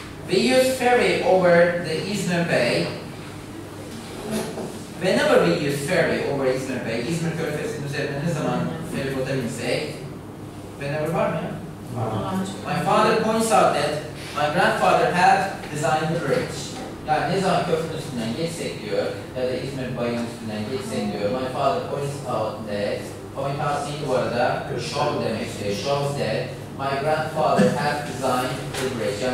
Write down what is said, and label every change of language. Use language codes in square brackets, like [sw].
[en] We use ferry over the İzmir Bay. Whenever we use ferry over İzmir Bay, [tr] İzmir Körfezi'nin üzerinde ne zaman ferry boda binsek? Whenever var mı ya? [en] My father points out that my grandfather had designed the bridge. [tr] Yani ne zaman köprünün üstünden geçsek diyor, ya da İzmir Bayı'nın üstünden geçsek diyor. [en] My father points out that, point out [tr] değil bu arada, [en] show demektir, shows that my grandfather had designed the bridge.